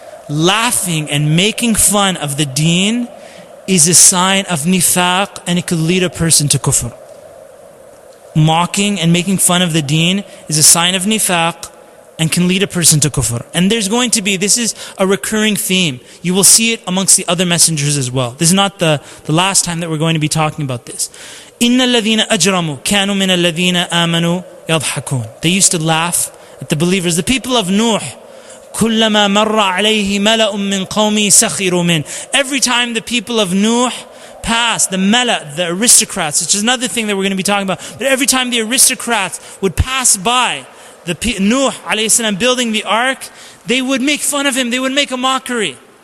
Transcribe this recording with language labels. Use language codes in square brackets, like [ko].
[en] Laughing and making fun of the deen is a sign of nifaq and it could lead a person to kufr. Mocking and making fun of the deen is a sign of nifaq and can lead a person to kufr. And there's going to be, this is a recurring theme. You will see it amongst the other messengers as well. This is not the last time that we're going to be talking about this. [ar] إِنَّ الَّذِينَ أَجْرَمُوا كَانُوا مِنَ الَّذِينَ آمَنُوا يَضْحَكُونَ [en] They used to laugh at the believers. The people of Nuh, [ar] كُلَّمَا مَرَّ عَلَيْهِ مَلَأٌ مِّن قَوْمِي سَخِرُوا مِّن [en] Every time the people of Nuh passed, the mala, the aristocrats, which is another thing that we're going to be talking about, but every time the aristocrats would pass by the Nuh alayhi salam building the ark, they would make fun of him, they would make a mockery.